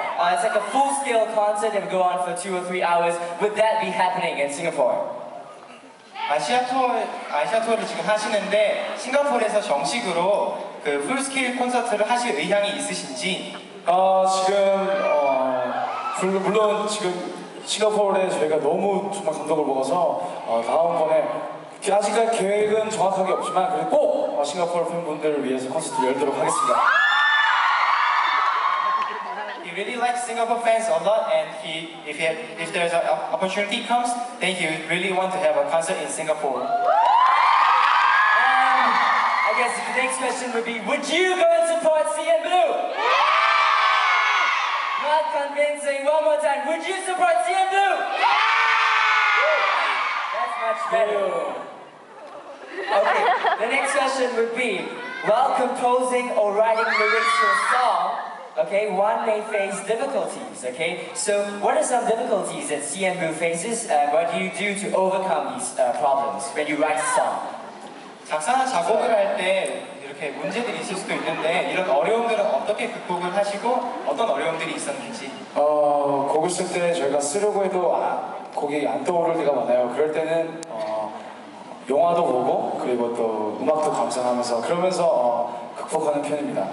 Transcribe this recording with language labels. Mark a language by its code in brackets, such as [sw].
[en] It's like a full-scale concert that will go on for 2 or 3 hours. Would that be happening in Singapore? [ko] 아시아 투어를 지금 하시는데 싱가포르에서 정식으로 그 풀스케일 콘서트를 하실 의향이 있으신지? 물론 지금 싱가포르에 저희가 너무 정말 감동을 먹어서 다음번에 아직까지 계획은 정확하게 없지만 그래도 꼭 싱가포르 팬분들을 위해서 콘서트 열도록 하겠습니다. [en] He really likes Singapore fans a lot, and if there's an opportunity comes, then he would really want to have a concert in Singapore. And I guess the next question would be, would you go and support CNBlue? Yeah! Not convincing, one more time, would you support CNBlue? Yeah! That's much better. Yeah. Okay, the next question would be, while composing or writing lyrics to a song, okay, one may face difficulties, okay? So what are some difficulties that CNBlue faces? What do you do to overcome these problems when you write a song? [ko] 작사나 작곡을 할 때 이렇게 문제들이 있을 수도 있는데 이런 어려움들은 어떻게 극복을 하시고 어떤 어려움들이 있었는지? 곡을 쓸 때 저희가 쓰려고 해도 곡이 안 떠오를 때가 많아요. 그럴 때는 영화도 보고 그리고 또 음악도 감상하면서 그러면서 극복하는 편입니다.